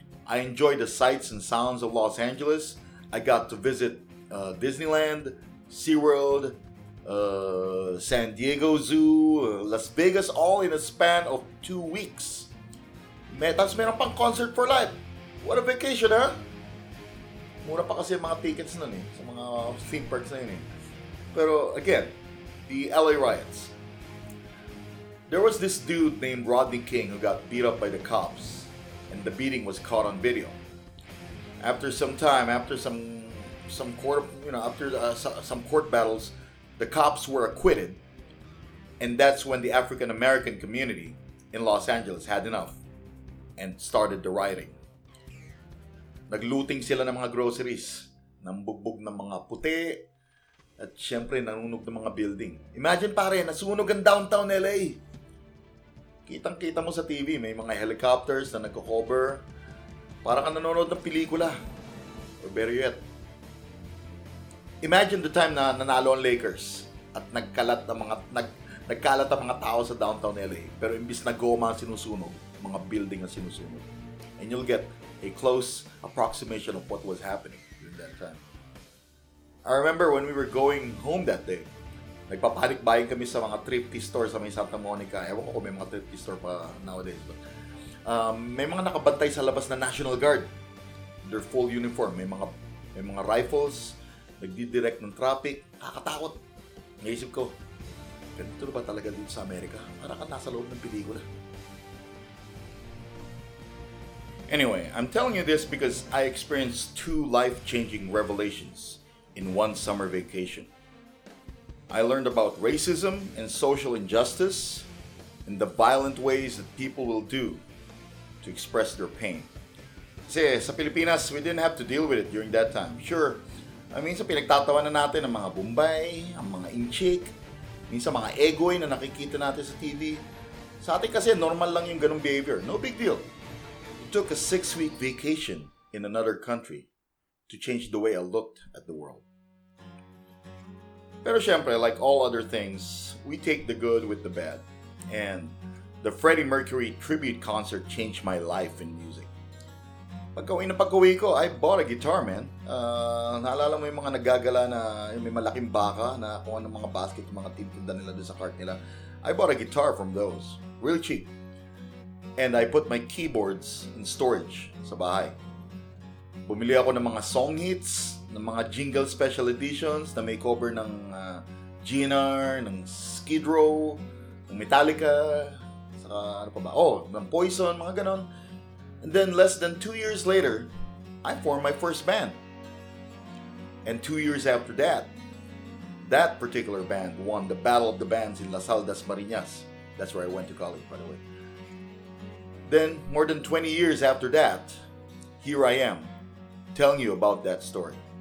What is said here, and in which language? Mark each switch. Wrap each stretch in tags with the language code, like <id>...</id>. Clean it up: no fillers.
<en>I enjoyed the sights and sounds of Los Angeles. I got to visit Disneyland, SeaWorld, San Diego Zoo, Las Vegas, all in a span of 2 weeks.</en> <tl>Tapos meron pang concert for life.</tl> <en>What a vacation, huh?</en> <tl>Mura pa kasi mga tickets nun eh, sa mga theme parks na yun eh.</tl> <en>Pero again, the LA riots. There was this dude named Rodney King who got beat up by the cops, and the beating was caught on video. After some time, after some court battles, the cops were acquitted, and that's when the African American community in Los Angeles had enough and started the rioting.</en> <tl>Naglooting sila ng mga groceries, nambugbog ng mga puti, at syempre nanunog ng mga building. Imagine pare, nasunog ang downtown LA. Kitang-kita mo sa TV, may mga helicopters na nagko-hover. Para kang nanonood ng pelikula.</tl> <en>Or better yet. Imagine the time</en> <tl>na nanalo ang Lakers at nagkalat ang mga tao sa downtown LA. Pero imbis na goma ang sinusunog, mga building ang sinusunog.</tl> <en>And you'll get a close approximation of what was happening during that time. I remember when we were going home that day,</en> <tl>nagpapanik-buying kami sa mga thrifty store sa may Santa Monica. Ewan ko kung may mga thrifty store pa nowadays. But, may mga nakabantay sa labas na National Guard.</tl> <en>Their full uniform.</en> <tl>May mga rifles. Nagdidirect ng traffic. Kakatakot. Naisip ko, ganito ba talaga dito sa Amerika? Para ka nasa loob ng pelikula.</tl> <en>Anyway, I'm telling you this because I experienced two life-changing revelations in one summer vacation. I learned about racism and social injustice and the violent ways that people will do to express their pain.</en> <tl>Kasi sa Pilipinas,</tl> <en>we didn't have to deal with it during that time. Sure, I mean,</en> <tl>sa pinagtatawa na natin ang mga bumbay, ang mga inchik, minsan mga egoy na nakikita natin sa TV. Sa atin kasi normal lang yung ganung behavior.</tl> <en>No big deal. It took a 6-week vacation in another country to change the way I looked at the world.</en> <tl>Pero siyempre,</tl> <en>like all other things, we take the good with the bad. And the Freddie Mercury tribute concert changed my life in music.</en> <tl>Pagkauwi na pagkauwi ko,</tl> <en>I bought a guitar, man.</en> <tl>Naalala mo yung mga nagagala na yung may malaking baka na kuha ng mga basket, mga tinda nila doon sa cart nila.</tl> <en>I bought a guitar from those. Real cheap. And I put my keyboards in storage</en> <tl>sa bahay. Bumili ako ng mga song hits, ng mga jingle special editions na may cover ng GNR, ng Skid Row, ng Metallica, saka ano pa ba? Oh, ng Poison, mga ganon.</tl> <en>And then less than 2 years later, I formed my first band. And 2 years after that, that particular band won the Battle of the Bands in La Salle das Marinas. That's where I went to college, by the way. Then, more than 20 years after that, here I am, telling you about that story.</en>